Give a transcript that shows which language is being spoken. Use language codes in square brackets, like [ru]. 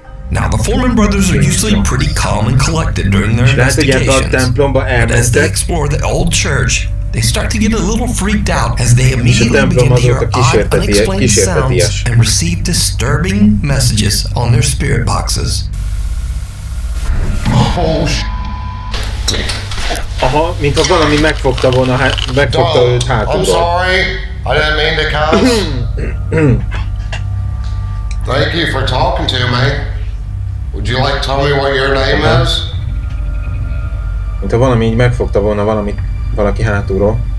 [en] Now, the Foreman brothers are usually pretty calm and collected during their investigations, but as they explore the old church, they start to get a little freaked out as they immediately begin to hear odd, unexplained sounds and receive disturbing messages on their spirit boxes. [hu] Aha, mint ha valami megfogta volna, megfogta őt hátulról. [en] I'm sorry, I didn't mean to come. Thank you for talking to me. Would you like to tell me what your name is? [hu] Mint ha valami így megfogta volna valami, valaki hátulról.